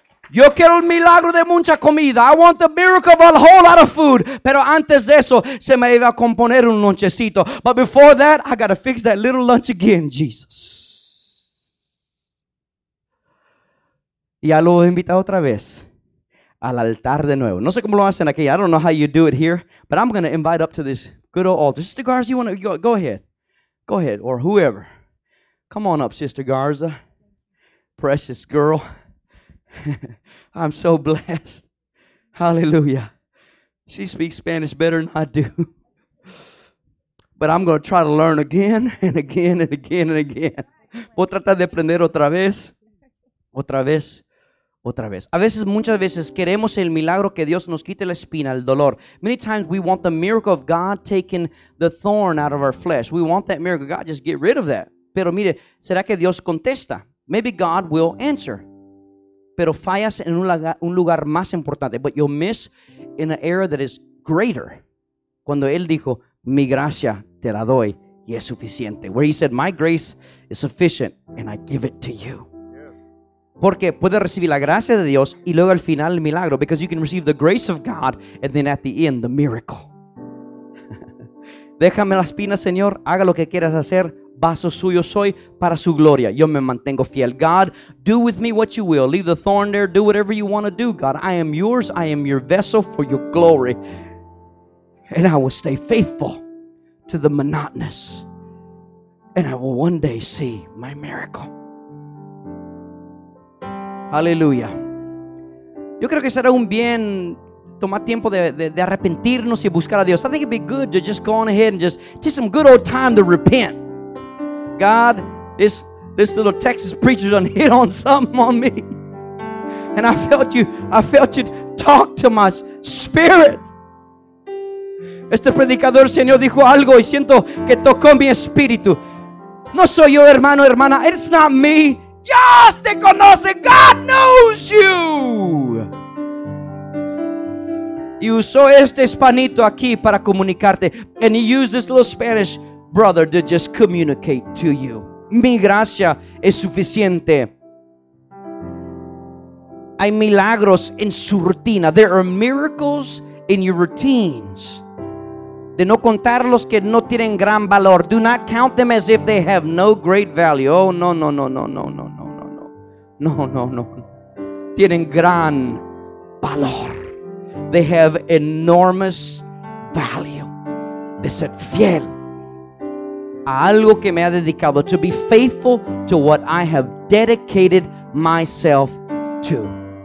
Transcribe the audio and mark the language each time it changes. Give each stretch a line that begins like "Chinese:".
Spanish: Yo quiero el milagro de mucha comida.
English: I want the miracle of a whole lot of food.
Spanish: Pero antes de eso, se me iba a componer un lonchecito.
English: But before that, I got to fix that little lunch again, Jesus.
Spanish: Y ya lo invito otra vez al altar de nuevo. No sé cómo lo hacen aquí.
English: I don't know how you do it here. But I'm going to invite up to this good old altar. Sister Garza, you want to go ahead. Go ahead, or whoever. Come on up, Sister Garza. Precious girl. I'm so blessed. Hallelujah. She speaks Spanish better than I do. But I'm going to try to learn again and again and again and again.
Spanish: Voy a tratar de aprender otra vez, otra vez, otra vez. A veces, muchas veces, queremos el milagro que Dios nos quite la espina, el dolor.
English: Many times we want the miracle of God taking the thorn out of our flesh. We want that miracle. God, just get rid of that.
Spanish: Pero mire, ¿será que Dios contesta?
English: Maybe God will answer.
Spanish: Pero fallas en un lugar más importante.
English: But you'll miss in an era that is greater.
Spanish: Cuando Él dijo, mi gracia te la doy y es suficiente.
English: Where He said, my grace is sufficient and I give it to you.
Spanish: Porque puedes recibir la gracia de Dios y luego al final el milagro.
English: Because you can receive the grace of God and then at the end the miracle.
Spanish: Déjame la espina, Señor. Haga lo que quieras hacer. vaso suyo soy para su gloria. Yo me mantengo fiel.
English: God, do with me what you will. Leave the thorn there. Do whatever you want to do. God, I am yours. I am your vessel for your glory. And I will stay faithful to the monotonous. And I will one day see my miracle. Hallelujah.
Spanish: Yo creo que será un bien tomar tiempo de arrepentirnos y buscar a Dios.
English: I think it'd be good to just go on ahead and just some good old time to repent. God, this little Texas preacher done hit on something on me. And I felt you talk to my spirit.
Spanish: Este predicador, Señor, dijo algo y siento que tocó mi espíritu. No soy yo, hermano, hermana.
English: It's not me.
Spanish: Dios te conoce.
English: God knows you.
Spanish: Y usó este hispanito aquí para comunicarte.
English: And he used this little Spanish brother to just communicate to you.
Spanish: Mi gracia es suficiente. Hay milagros en su rutina.
English: There are miracles in your routines.
Spanish: De no contar los que no tienen gran valor.
English: Do not count them as if they have no great value.
Spanish: Oh, no, no, no, no, no, no, no, no, no. No, no, no. Tienen gran valor.
English: They have enormous value.
Spanish: De ser fiel a algo que me ha dedicado.
English: To be faithful to what I have dedicated myself to.